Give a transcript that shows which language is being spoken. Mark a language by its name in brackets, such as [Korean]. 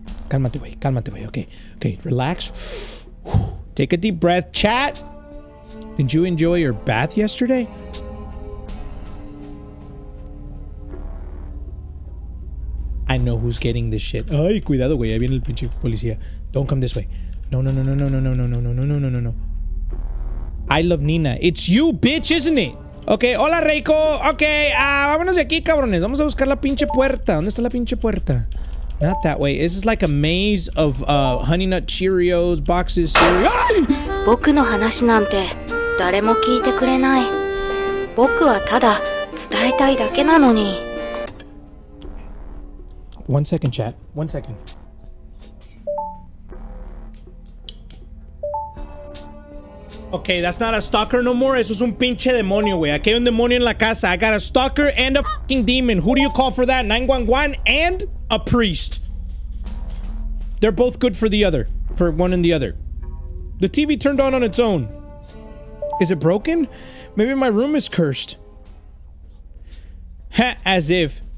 [Spanish] Cálmate, güey. Cálmate, güey. [English] Okay. Okay. Relax. Take a deep breath. Chat. Did you enjoy your bath yesterday? I know who's getting this shit. [Spanish] Ay, cuidado, güey. Ahí viene el pinche policía. [English] Don't come this way. No, no, no, no, no, no, no, no, no, no, no, no, no, no, no. I love Nina. It's you, bitch, isn't it? Okay, hola, Reiko. [Spanish] Okay, vámonos de aquí, cabrones. Vamos a buscar la pinche puerta. ¿Dónde está la pinche puerta? [English] Not that way. This is like a maze of Honey Nut Cheerios boxes. Ay! [Japanese] 僕の話なんて誰も聞いてくれない。僕はただ伝えたいだけなのに。 [English] One second, chat. One second. Okay, that's not a stalker no more. [Spanish] Eso es un pinche demonio, güey. Aquí hay un demonio en la casa. [English] I got a stalker and a fucking demon. Who do you call for that? 911 and a priest. They're both good for the other. For one and the other. The TV turned on its own. Is it broken? Maybe my room is cursed. Ha, as if.